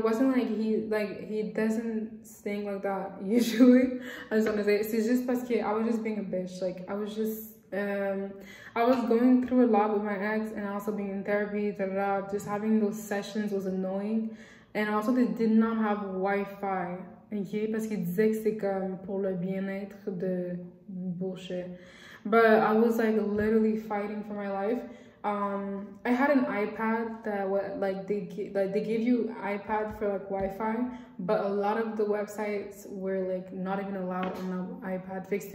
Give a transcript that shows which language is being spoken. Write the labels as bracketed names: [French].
[English] It wasn't like he doesn't stink like that usually. I just wanna say [French] c'est juste parce que [English] I was just being a bitch. Like I was just I was going through a lot with my ex and also being in therapy, da da. Just having those sessions was annoying, and also they did not have Wi-Fi. [French] Okay, parce qu'il disait que c'est comme pour le bien-être de bullshit. [English] But I was like literally fighting for my life. I had an iPad that they give you iPad for like Wi-Fi, but a lot of the websites were like not even allowed on the iPad.